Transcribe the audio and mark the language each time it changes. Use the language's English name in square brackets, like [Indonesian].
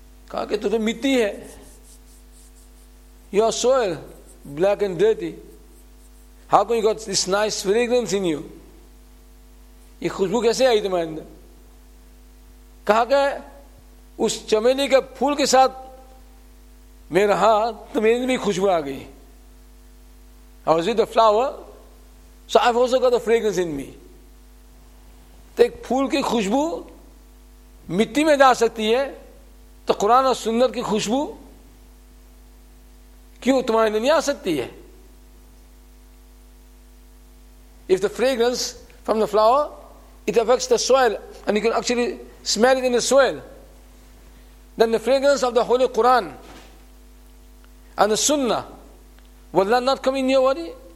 [Urdu] کہا کہ تو مٹی ہے، [English] You are soil black and dirty, how can you got this nice fragrance in you? [Urdu] یہ خوشبو کیسے آئی تمہارے اندر؟ کہا کہ اس چمیلی کے پھول کے ساتھ میں رہا تو میرے بھی خوشبو آ گئی. [English] I was with the flower, so I've also got the fragrance in me. [Urdu] تو ایک پھول کی خوشبو مٹی میں جا سکتی ہے، تو قرآن اور سنت کی خوشبو کیوں تمہارے اندر نہیں آ سکتی ہے؟ [English] If the fragrance from the flower it affects the soil, and you can actually smell it in the soil. Then the fragrance of the Holy Quran and the Sunnah, will that not come in your body?